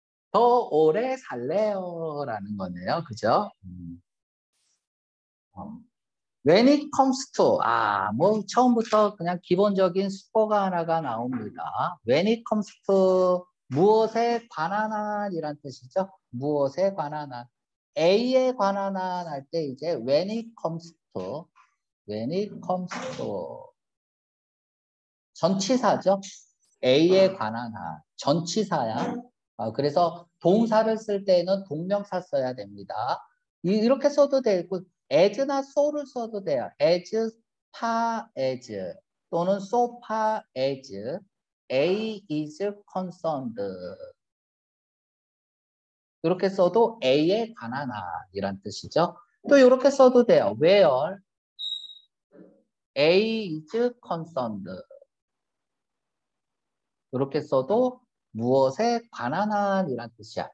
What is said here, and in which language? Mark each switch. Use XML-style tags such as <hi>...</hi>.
<ko>더 오래 살래요라는 거네요. 그죠?</ko> <en>When it comes to,</en> <ko>뭐 처음부터 그냥 기본적인 수거가 하나가 나옵니다.</ko> <en>When it comes to</en> <ko>무엇에 관한 한이란 뜻이죠? 무엇에 관한 한. A에 관한 한 할 때 이제</ko> <en>when it comes to, when it comes to</en> <ko>전치사죠. A에 관한 한 전치사야. 그래서 동사를 쓸 때에는 동명사 써야 됩니다. 이렇게 써도 되고 as나 so를 써도 돼요.</ko> <en>as far as</en> <ko>또는</ko> <en>so far as A is concerned.</en> <ko>이렇게 써도 A에 관한 한이란 뜻이죠. 또 이렇게 써도 돼요.</ko> <en>Where A is concerned.</en> <ko>이렇게 써도 무엇에 관한 한이란 뜻이야.</ko>